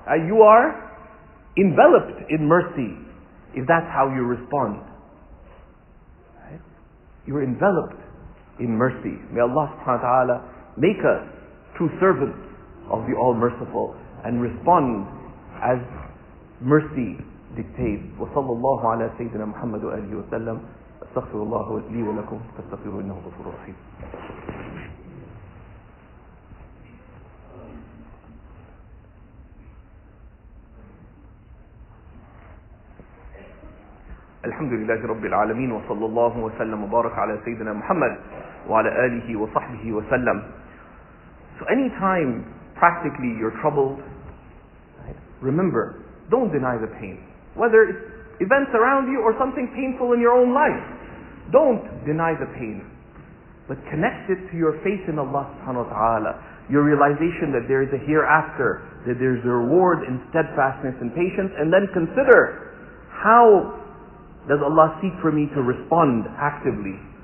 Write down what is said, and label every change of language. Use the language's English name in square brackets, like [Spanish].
[English] You are enveloped in mercy, if that's how you respond. Right? You're enveloped in mercy. May Allah subhanahu wa ta'ala make us true servants of the All-Merciful and respond as mercy dictates. [Arabic] Wa sallallahu ala sayyidina Muhammad wa alihi wa sallam. أستغفر الله لي ولكم فاستغفروا إنه غفور رحيم. الحمد لله رب العالمين وصلى الله وسلم وبارك على سيدنا محمد وعلى آله وصحبه وسلم. [English] So anytime practically you're troubled, remember, don't deny the pain, whether it's events around you or something painful in your own life. Don't deny the pain, but connect it to your faith in Allah subhanahu wa ta'ala, your realization that there is a hereafter, that there is a reward in steadfastness and patience, and then consider, how does Allah seek for me to respond actively?